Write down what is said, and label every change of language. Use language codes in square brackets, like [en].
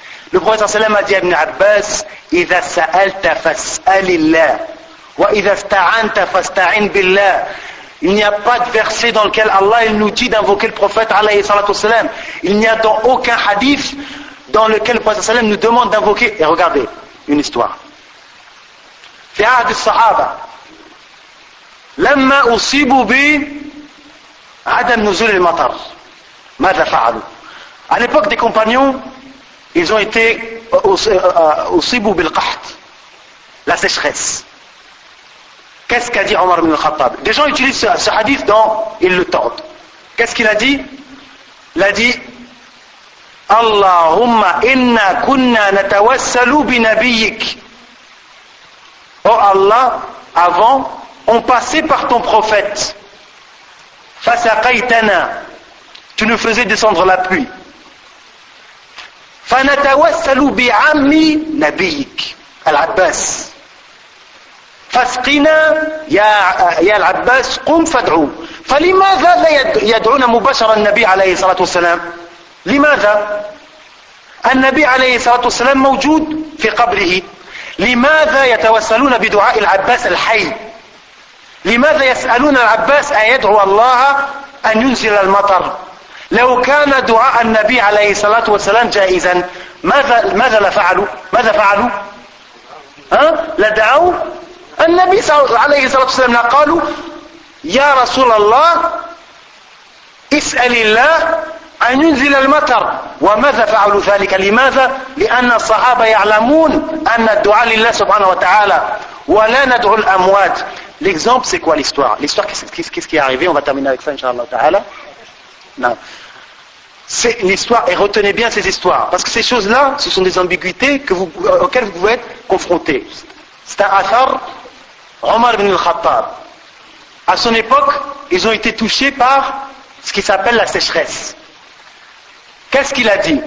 [fr] Le prophète sallam a dit à Ibn Abbas, [ar] إِذَا سَأَلْتَ فَاسْأَلِ اللَّهِ وَإِذَا اسْتَعَنْتَ فَاسْتَعِنْ بِاللَّهِ. [fr] Il n'y a pas de verset dans lequel Allah il nous dit d'invoquer le prophète alayhi salatu wasalam. Il n'y a dans aucun hadith dans lequel le prophète sallam nous demande d'invoquer. Et regardez une histoire. [ar] في عهد الصحابة لما أصيبوا ب عدم نزول المطر ماذا فعلوا؟ [fr] À l'époque des compagnons, ils ont été [ar] أصيبوا بالقحط, [fr] la sécheresse. Qu'est-ce qu'a dit Omar ibn al-Khattab? Des gens utilisent ce hadith dans ils le tordent. Qu'est-ce qu'il a dit? Il a dit [ar] Allahumma inna kunna natawassalu binabiyyik. [fr] Oh Allah, avant on passait par ton prophète. [ar] Fasaqaytana, [fr] tu nous faisais descendre la pluie. [ar] فنتوسل بعم نبيك العباس فاسقنا يا العباس قم فادعو. فلماذا لا يدعون مباشرة النبي عليه الصلاة والسلام؟ لماذا؟ النبي عليه الصلاة والسلام موجود في قبره، لماذا يتوسلون بدعاء العباس الحي؟ لماذا يسألون العباس أن يدعو الله أن ينزل المطر؟ لو كان دعاء النبي عليه الصلاة والسلام جائزا ماذا لفعلوا؟ ماذا فعلوا؟ ها؟ لدعوا النبي عليه الصلاة والسلام، قالوا يا رسول الله اسأل الله أن ينزل المطر. وماذا فعلوا ذلك؟ لماذا؟ لأن الصحابة يعلمون أن الدعاء لله سبحانه وتعالى ولا ندعو الأموات. [fr] L'exemple c'est quoi l'histoire? L'histoire qu'est-ce qui est arrivé? On va terminer avec ça inshallah ta'ala. Non. C'est l'histoire, et retenez bien ces histoires, parce que ces choses-là, ce sont des ambiguïtés auxquelles vous pouvez être confronté. C'est un athar, Omar ibn al-Khattab. À son époque, ils ont été touchés par ce qui s'appelle la sécheresse. Qu'est-ce qu'il a dit?